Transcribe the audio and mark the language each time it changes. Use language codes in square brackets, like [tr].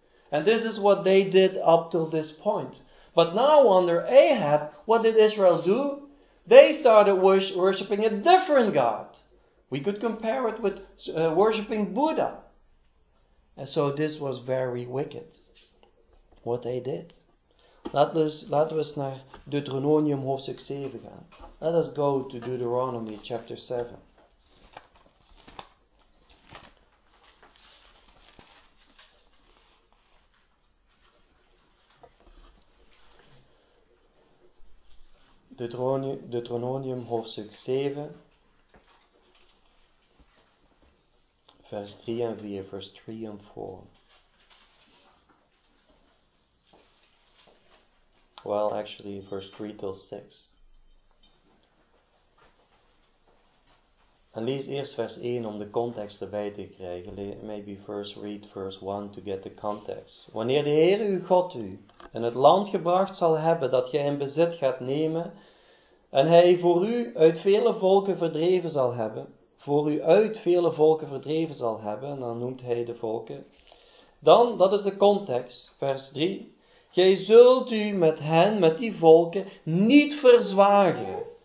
[en] And this is what they did up till this point. But now under Ahab, what did Israel do? They started worshipping a different god. We could compare it with worshipping Buddha. And so this was very wicked, what they did. [nl] Laten we naar Deuteronomium hoofdstuk 7 gaan. [en] Let us go to Deuteronomy chapter 7. [nl] Deuteronomium hoofdstuk 7, vers 3 en 4, vers 3 en 4. [en] Well, actually, vers 3 till 6. [nl] En lees eerst vers 1 om de context erbij te krijgen. [en] Maybe first read verse 1 to get the context. [nl] Wanneer de Heer uw God u in het land gebracht zal hebben dat jij in bezit gaat nemen, en hij voor u uit vele volken verdreven zal hebben, voor u uit vele volken verdreven zal hebben, en dan noemt hij de volken. Dan, dat is de context, vers 3. Gij zult u met hen, met die volken, niet verzwagen.